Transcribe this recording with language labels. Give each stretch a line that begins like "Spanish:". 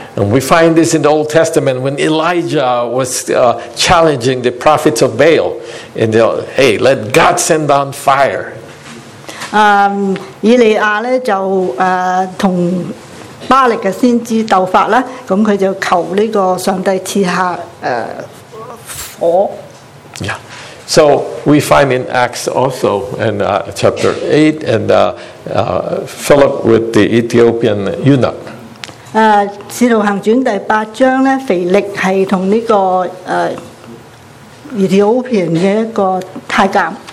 English: And we find this in the Old Testament when Elijah was challenging the prophets of Baal, and they, "Hey, let God send down fire."
Cantonese: 以利亚咧就同巴力嘅先知斗法啦，咁佢就求呢个上帝赐下火。
English: Yeah. So we find in Acts also in chapter 8 and Philip with the Ethiopian eunuch.
Cantonese: 使徒行传第八章咧，腓力系同呢个 Ethiopian 嘅一個太監。